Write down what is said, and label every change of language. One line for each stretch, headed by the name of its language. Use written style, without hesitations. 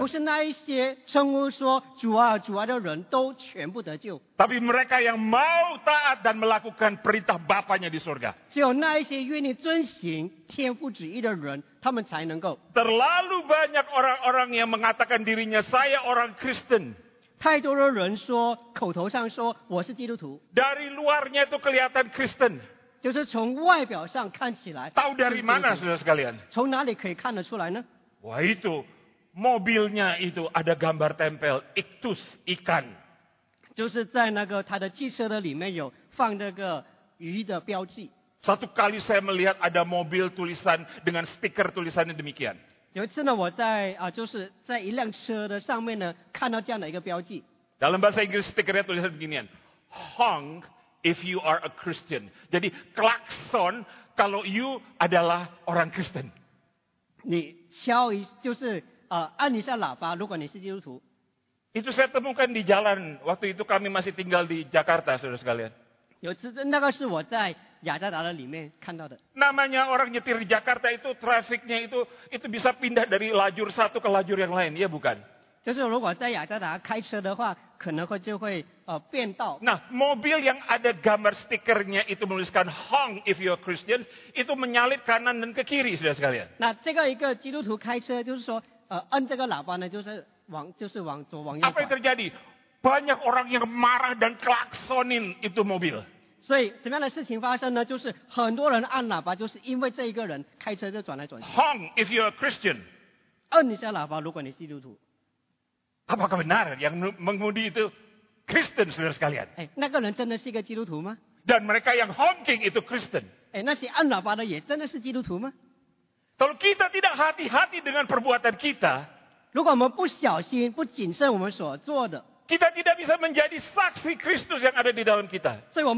Chinese: 不是那一些称呼说主啊主啊的人都全部得救。
Indonesian: Tapi mereka yang mau taat dan melakukan perintah Bapanya di surga。
Chinese: 只有那一些愿意遵循天父旨意的人，他们才能够。
Indonesian: Terlalu banyak orang-orang yang mengatakan dirinya saya orang Kristen。
Chinese: 太多的人说，口头上说我是基督徒。
Indonesian: Dari luarnya itu kelihatan Kristen。
Chinese: 就是从外表上看起来。
Indonesian: Tahu dari mana, saudara sekalian?
Chinese: 从哪里可以看得出来呢？
Indonesian: Wah itu, mobilnya itu ada gambar tempel ikus ikan。
Chinese: 就是在那个他的汽车的里面有放那个鱼的标记。
Indonesian: Satu kali saya melihat ada mobil tulisan dengan stiker tulisannya demikian。
Chinese: 有一次呢，我在就是在一辆车的上面呢，看到这样的一个标记。
Indonesian: Dalam bahasa Inggris stikernya tulisan beginian,
English: honk if you are a Christian.
Indonesian: Jadi klakson kalau you adalah orang Kristen.
Chinese: 你敲一就是按一下喇叭，如果你是基督徒。
Indonesian: Itu saya temukan di jalan waktu itu kami masih tinggal di Jakarta, saudara sekalian.
Chinese: 有一次那个是我在。雅加达的里面看到的。
Indonesian: Namanya orang nyetir di Jakarta itu trafficnya itu bisa pindah dari lajur satu ke lajur yang lain, ya bukan?
Chinese: 就是如果在雅加达开车的话，可能会就会变道。
Indonesian: Nah, mobil yang ada gambar stikernya itu menuliskan
English: honk if you're Christian
Indonesian: itu menyalip kanan dan ke kiri, sudah sekalian.
Chinese: Nah, 这个一个基督徒开车就是说，按这个喇叭呢，就是往左往右。
Indonesian: Apa yang terjadi? Banyak orang yang marah dan klaksonin itu mobil.
Chinese: 所以怎么样的事情发生呢？就是很多人按喇叭，就是因为这一个人开车就转来转去。
English: Honk if you're a Christian，
Chinese: 按一下喇叭，如果你是基督徒。
Indonesian: Apakah benar yang mengemudi itu Kristen, saudara sekalian.
Chinese: Eh,那个人真的是一个基督徒吗？
Indonesian: Dan mereka yang honking itu Kristen.
Chinese: Eh,那些按喇叭的也真的是基督徒吗？
Indonesian: Kalau kita tidak hati-hati dengan perbuatan kita,
Chinese: 如果我们不小心, 不谨慎我们所做的,
Indonesian: kita tidak bisa menjadi saksi Kristus yang ada di dalam kita.